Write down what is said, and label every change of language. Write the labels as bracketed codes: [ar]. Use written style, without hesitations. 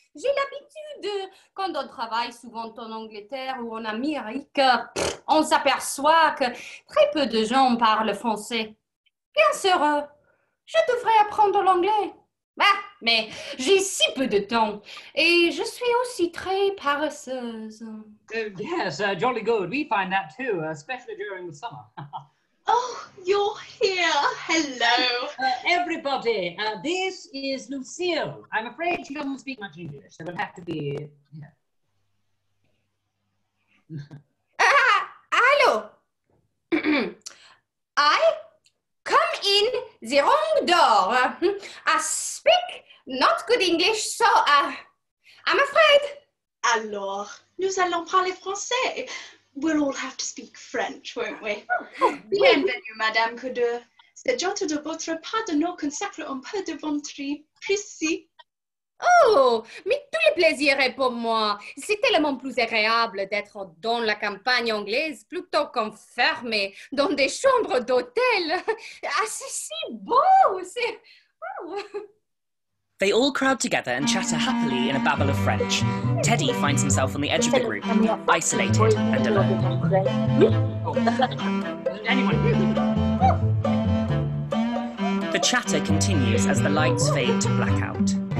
[fr] J'ai l'habitude, quand on travaille souvent en Angleterre ou en Amérique, on s'aperçoit que très peu de gens parlent français. Bien sûr, je devrais apprendre l'anglais. Bah, mais j'ai si peu de temps et je suis aussi très paresseuse. [en] Yes, jolly good. We find that too, especially during the summer. Oh, you're here. Hello. Everybody, this is Lucille. I'm afraid she doesn't speak much English. It'll have to be... hello. I come in the wrong door. I speak not good English, so I'm afraid. [fr] Alors, nous allons parler français. [en] We'll all have to speak French, won't we? [fr] Bienvenue, Madame Coudeur. C'est jante de votre part de nos consacrer un peu de ventre précis. Oh, mais tout le plaisir est pour moi. C'est tellement plus agréable d'être dans la campagne anglaise plutôt qu'enfermé dans des chambres d'hôtel. Ah, c'est si beau, c'est... Oh. [en] They all crowd together and chatter happily in a babble of French. Teddy finds himself on the edge of the group, isolated and alone. The chatter continues as the lights fade to blackout.